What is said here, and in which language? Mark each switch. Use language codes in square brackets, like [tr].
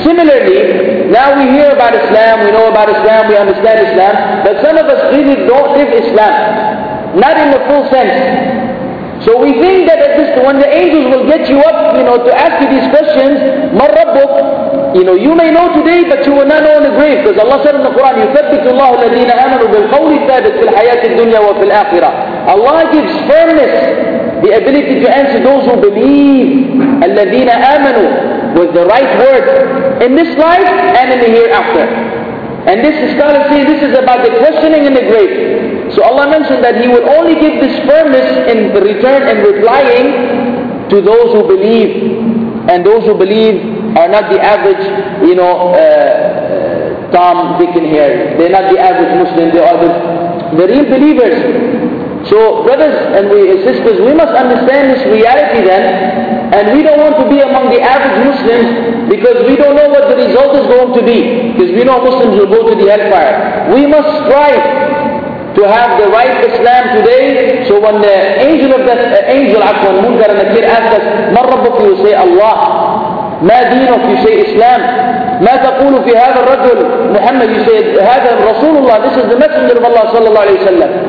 [en] Similarly, now we hear about Islam, we know about Islam, we understand Islam, but some of us really don't live Islam. Not in the full sense. So we think that at this, when the angels will get you up, you know, to ask you these questions, [ar] مَا رَبُّكَ [en] know, you may know today, but you will not know in the grave. Because Allah said in the Quran, [ar] يُثَبِّتُ اللَّهُ الَّذِينَ آمَنُوا بِالْقَوْلِ الثَّابِتِ فِي الْحَيَاةِ الدُّنْيَا وَفِي الْآخِرَةِ. [en] Allah gives firmness, the ability to answer those who believe. [ar] الَّذِينَ آمَنُوا [en] with the right word. In this life and in the hereafter. And this is kind of saying, this is about the questioning in the grave. So Allah mentioned that He will only give this firmness in the return and replying to those who believe. And those who believe are not the average, you know, Tom, Dick and Harry. They're not the average Muslim, they are the real believers. So brothers and sisters, we must understand this reality then. And we don't want to be among the average Muslims because we don't know what the result is going to be. Because we know Muslims will go to the hellfire. We must strive to have the right Islam today. So when the angel of death, Munkar and Nakir asked us, [ar] مَا رَبُّكِ [en] you say Allah. [ar] مَا دِينُكِ [en] you say Islam. [ar] مَا تَقُولُ فِي هَذَا الرَّجُلُ [en] Muhammad you say, [ar] هَذَا رَسُولُ اللَّهِ [en] This is the Messenger of Allah صلى الله عليه وسلم.